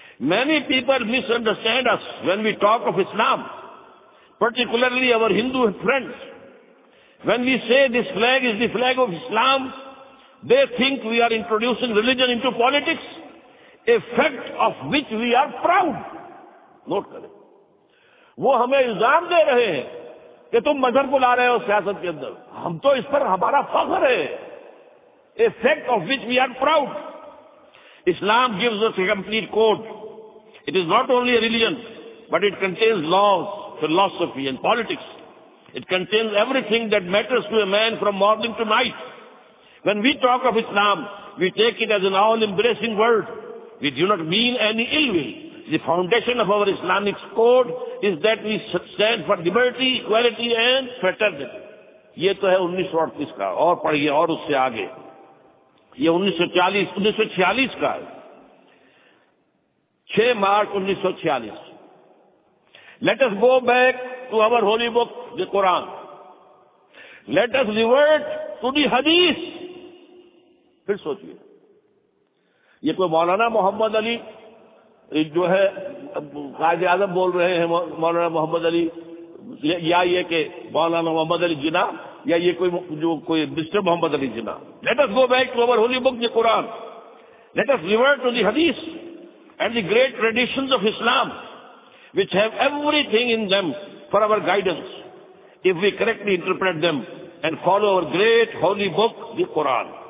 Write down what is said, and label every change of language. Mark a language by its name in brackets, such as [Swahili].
[English] Many people misunderstand us when we talk of Islam particularly our Hindu friends when we say this flag is the flag of Islam they think we are introducing religion into politics a fact of which we are proud. [Urdu] Note کریں وہ ہمیں الزام دے رہے ہیں کہ تم مذہب کو لا رہے ہو سیاست کے اندر. ہم تو اس پر ہمارا فخر ہے. [English] A fact of which we are proud. Islam gives us a complete code. It is not only a religion but it contains laws philosophy and politics. It contains everything that matters to a man from morning to night. When we talk of Islam we take it as an all embracing word. We do not mean any ill will. The foundation of our Islamic code is that we stand for liberty, equality and fraternity. [Urdu] یہ تو ہے 1938 کا. اور پڑھیے اور اس سے آگے. یہ 1946 کا ہے. 6 March 1946. [English] Let us go back to our holy book, the Quran. Let us revert to the Hadith. [Urdu] پھر سوچئے. یہ کوئی مولانا محمد علی جو ہے قائد اعظم بول رہے ہیں مولانا محمد علی یا یہ کہ مولانا محمد علی جناح یا یہ کوئی mister Muhammad Ali Jinnah. [English] Let us go back to our holy book the Quran. Let us revert to the حدیث and the great traditions of Islam which have everything in them for our guidance if we correctly interpret them and follow our great holy book the Quran.